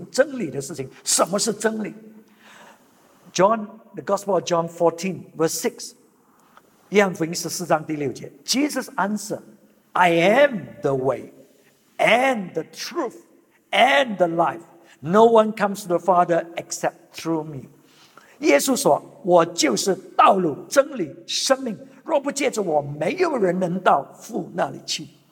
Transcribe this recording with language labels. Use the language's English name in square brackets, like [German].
[Chinese] 所以我们要思考真实的事情，真理的事情，什么是真理？ [English] John, the Gospel of John 14, verse 6. [Chinese] 约翰福音14章第6节, [English] Jesus answered, I am the way and the truth and the life. No one comes to the Father except through me. [Chinese] 耶稣说，我就是道路、真理、生命。若不借着我，没有人能到父那里去。